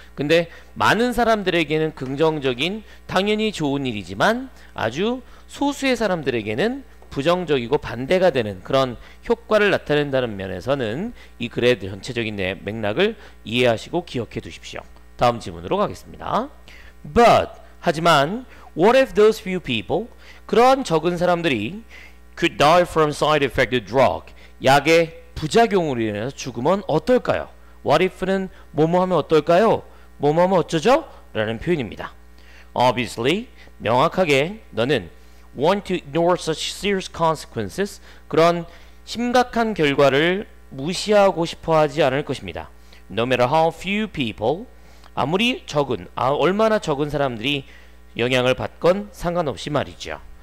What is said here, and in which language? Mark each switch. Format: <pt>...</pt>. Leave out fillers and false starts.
<ko>근데 많은 사람들에게는 긍정적인 당연히 좋은 일이지만 아주 소수의 사람들에게는 부정적이고 반대가 되는 그런 효과를 나타낸다는 면에서는 이 글의 전체적인 맥락을 이해하시고 기억해 두십시오. 다음 질문으로 가겠습니다.</ko> <en>But,</en> <ko>하지만</ko> <en>what if those few people,</en> <ko>그러한 적은 사람들이</ko> <en>could die from side effect of drug,</en> <ko>약의 부작용으로 인해서 죽으면 어떨까요?</ko> <en>What if는</en> <ko>뭐뭐하면 어떨까요? 뭐뭐하면 어쩌죠? 라는 표현입니다. Obviously, 명확하게 너는</ko> <en>want to ignore such serious consequences,</en> <ko>그런 심각한 결과를 무시하고 싶어 하지 않을 것입니다.</ko> <en>No matter how few people,</en> <ko>아무리 적은, 얼마나 적은 사람들이 영향을 받건 상관없이 말이죠.</ko>